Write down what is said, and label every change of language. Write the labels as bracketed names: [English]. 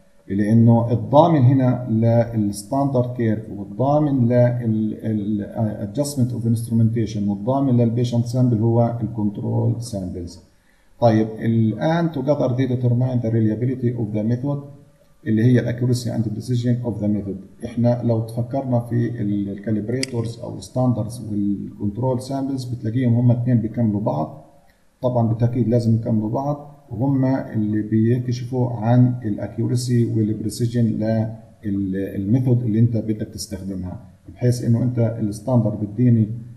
[Arabic] لأنه الضامن هنا للستاندرد كير والضامن للأدجستمنت أوف إنسترومنتيشن والضامن للبيشنت سامبل هو الكنترول سامبلز. طيب الآن [English] together they determine the reliability of the method [Arabic] اللي هي [English] accuracy and precision of the method. [Arabic] إحنا لو تفكرنا في الكاليبريتورز أو الستاندردز والكنترول سامبلز بتلاقيهم هما اثنين بيكملوا بعض، طبعا بالتأكيد لازم يكملوا بعض، وهم اللي بيكشفوا عن الأكيوريسي والبريسيجن للميثود اللي انت بدك تستخدمها، بحيث انه انت الستاندرد بديني